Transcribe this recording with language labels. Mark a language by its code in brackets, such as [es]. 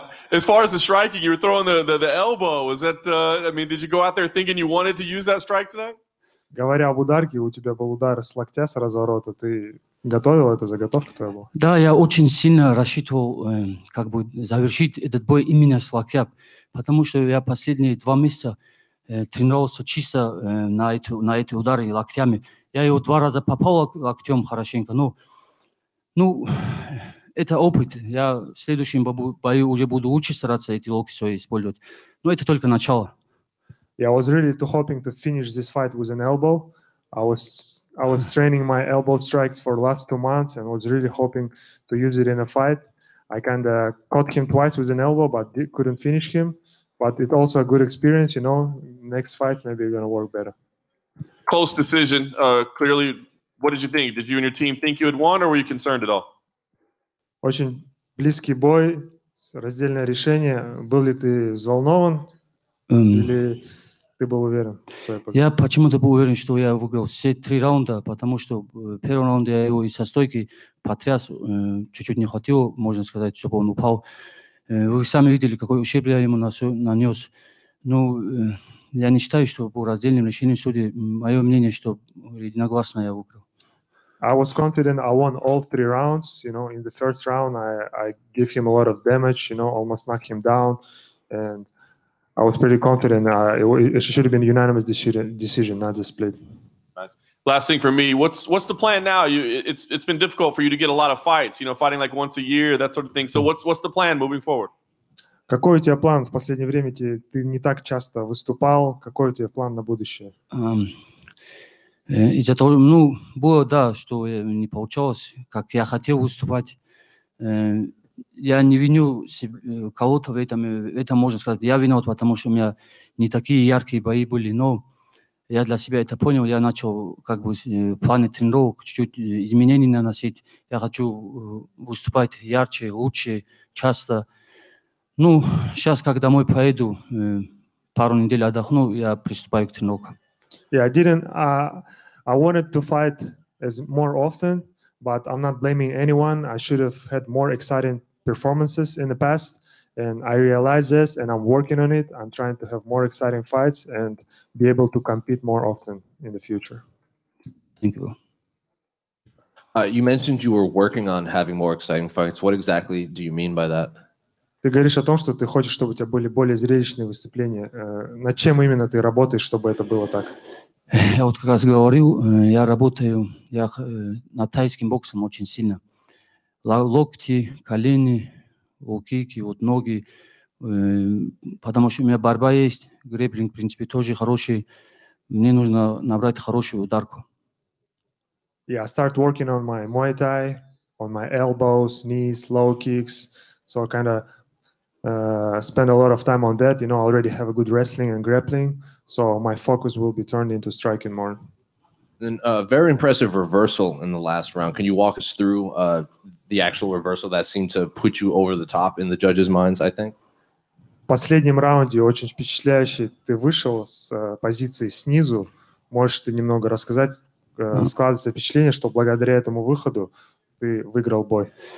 [en] As far as the striking, you were throwing the elbow. Was that, did you go out there thinking you wanted to use that strike tonight? [ru] Говоря об ударке, у тебя был удар с локтя, с разворота. Ты готовил это, заготовка твоя была? Да, я очень сильно рассчитывал, как бы завершить этот бой именно с локтя, потому что я последние 2 месяца тренировался чисто на эти удары локтями. Я его 2 раза попал локтем хорошенько, но это опыт. Я в следующем бою уже буду лучше стараться эти локти свои использовать. Но это только начало. [en] Yeah, I was really too hoping to finish this fight with an elbow. I was training my elbow strikes for the last 2 months and was really hoping to use it in a fight. I kind of caught him twice with an elbow, but couldn't finish him. But it's also a good experience, you know. Next fight, maybe it's going to work better. Close decision. Clearly, what did you think? Did you and your team think you had won, or were you concerned at all? [ru] Очень близкий бой, раздельное решение. Был ли ты взволнован? Или ты был уверен? Я почему-то был уверен, что я выиграл все 3 раунда, потому что первый раунд я его из-за стойки потряс, чуть-чуть не хватило, можно сказать, чтобы он упал. Вы сами видели, какой ущерб я ему нанес. Ну, я не считаю, что по раздельным решениям судей, мое мнение, что единогласно я выиграл. [en] I was confident I won all 3 rounds. You know, in the first round, I gave him a lot of damage, you know, almost knocked him down. And I was pretty confident it should have been a unanimous decision, not a split. Nice. Last thing for me, what's the plan now? It's been difficult for you to get a lot of fights, you know, fighting like once a year, that sort of thing. So what's the plan moving forward? [ru] Какой у тебя план в последнее время? Ты не так часто выступал. Какой у тебя план на будущее? Из-за того, ну, было, да, что не получалось, как я хотел выступать. Я не виню кого-то в этом, можно сказать, я виноват, потому что у меня не такие яркие бои были, но я для себя это понял, я начал как бы планы тренировок чуть-чуть изменений наносить. Я хочу выступать ярче, лучше, часто. Ну, сейчас, как домой поеду, пару недель отдохну, я приступаю к тренировкам. [en] Yeah, I wanted to fight as more often, but I'm not blaming anyone. I should have had more exciting performances in the past, and I realize this, and I'm working on it. I'm trying to have more exciting fights and be able to compete more often in the future. Thank you. You mentioned you were working on having more exciting fights. What exactly do you mean by that? [ru] Ты говоришь о том, что ты хочешь, чтобы у тебя были более зрелищные выступления. Над чем именно ты работаешь, чтобы это было так? Я вот как раз говорил, я работаю над тайским боксом очень сильно. Локти, колени, лукики, вот ноги. Потому что у меня борьба есть, грэпплинг, в принципе, тоже хороший. Мне нужно набрать хорошую ударку. [en] Yeah, I start working on my Muay Thai, on my elbows, knees, low kicks. So I kind of spend a lot of time on that. You know, I already have a good wrestling and grappling. So my focus will be turned into striking more. And a very impressive reversal in the last round. Can you walk us through the actual reversal that seemed to put you over the top in the judges' minds, I think. [ru] Последнем раунде очень впечатляюще ты вышел с позиции снизу. Можешь ты немного рассказать, складывается впечатление, что благодаря этому выходу ты выиграл бой?